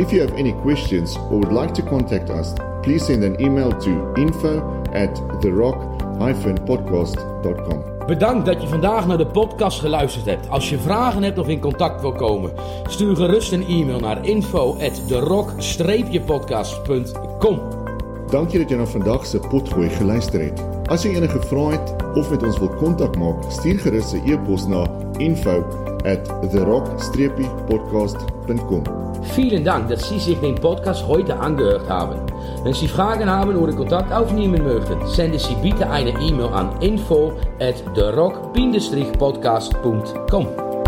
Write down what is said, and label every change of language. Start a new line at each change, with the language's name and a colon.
English: If you have any questions or would like to contact us, please send an email to info@therock-podcast.com.
Dutch: Bedankt dat je vandaag naar de podcast geluisterd hebt. Als je vragen hebt of in contact wil komen, stuur gerust een e-mail naar info@therock-podcast.com.
Afrikaans: Dank je dat je naar vandaagse potgooi geluisterd hebt. Als je enige vraag hebt of met ons wil contact maken, stuur gerust een e-post naar info@therock-podcast.com.
German: Vielen Dank dat Sie sich den Podcast heute angehört haben. Wenn Sie Fragen haben oder Kontakt aufnehmen möchten, senden Sie bitte eine E-Mail an info@therock-podcast.com.